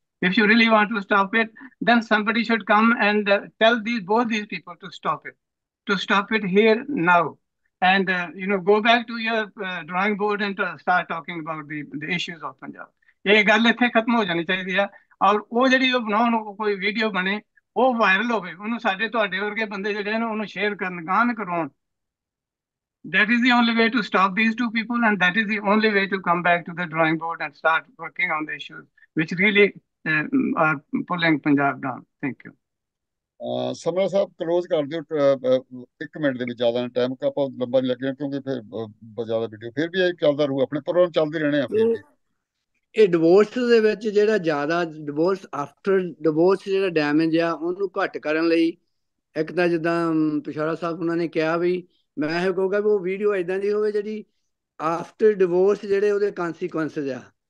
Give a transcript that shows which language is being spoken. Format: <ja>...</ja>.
<en>If you really want to stop it, then somebody should come and tell these both these people to stop it here now, and you know go back to your drawing board and start talking about the issues of Punjab.</en> <pa>ਇਹ ਗੱਲ ਇੱਥੇ ਖਤਮ ਹੋ ਜਾਣੀ ਚਾਹੀਦੀ ਆ, ਔਰ ਉਹ ਜਿਹੜੀ ਉਹ ਬਣਾਉਣ ਕੋਈ ਵੀਡੀਓ ਬਣੇ, ਉਹ ਵਾਇਰਲ ਹੋਵੇ, ਉਹਨੂੰ ਸਾਡੇ ਤੁਹਾਡੇ ਵਰਗੇ ਬੰਦੇ ਜਿਹੜੇ ਨੇ ਉਹਨੂੰ ਸ਼ੇਅਰ ਕਰਨ, ਗਾਨ ਕਰਾਉਣ।</pa> <en>That is the only way to stop these two people, and that is the only way to come back to the drawing board and start working on the issues which really are pulling Punjab down. Thank you.</en> <pa>Samra Sahib close ਕਰ ਦਿਓ 1 minute ਦੇ ਵਿੱਚ, ਜ਼ਿਆਦਾ ਨਹੀਂ time, ਆਪਾਂ ਲੰਬਾ ਨਹੀਂ ਲੱਗਣਾ ਕਿਉਂਕਿ ਫਿਰ ਜ਼ਿਆਦਾ ਵੀਡੀਓ, ਫਿਰ ਵੀ ਇਹ ਚੱਲਦਾ ਰਹੂ, ਆਪਣੇ ਪ੍ਰੋਗਰਾਮ ਚੱਲਦੇ ਰਹਿਣੇ ਆ ਫਿਰ ਵੀ। ਇਹ ਡਿਵੋਰਸ ਦੇ ਵਿੱਚ ਜਿਹੜਾ ਜ਼ਿਆਦਾ ਡਿਵੋਰਸ ਆਫਟਰ ਡਿਵੋਰਸ ਜਿਹੜਾ ਡੈਮੇਜ ਆ ਉਹਨੂੰ ਘੱਟ ਕਰਨ ਲਈ, ਇੱਕ ਤਾਂ ਜਿੱਦਾਂ ਪਿਛਾੜਾ ਸਾਹਿਬ ਉਹਨਾਂ ਨੇ ਕਿਹਾ ਵੀ, ਮੈਂ ਇਹ ਕਹੂੰਗਾ ਵੀ ਉਹ ਵੀਡੀਓ ਇਦਾਂ ਦੀ ਹੋਵੇ ਜਿਹੜੀ ਆਫਟਰ ਡਿਵੋਰਸ ਜਿਹੜੇ ਉਹਦੇ ਕਨਸੀਕੁਐਂਸਿਸ ਆ</pa>